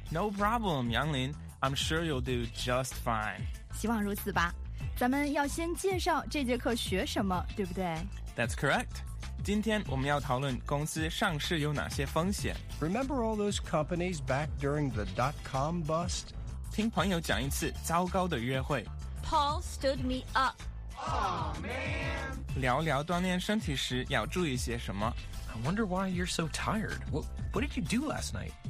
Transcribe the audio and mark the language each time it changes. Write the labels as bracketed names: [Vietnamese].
[English] No problem 杨林 I'm sure you'll do just fine [Chinese] 希望如此吧咱们要先介绍这节课学什么对不对 [English] That's correct [Chinese] 今天我们要讨论公司上市有哪些风险 [English] Remember all those companies back during the dot-com bust? [Chinese] 听朋友讲一次糟糕的约会 [English] Paul stood me up Aw, man [Chinese] 聊聊锻炼身体时要注意些什么 [English] I wonder why you're so tired What did you do last night?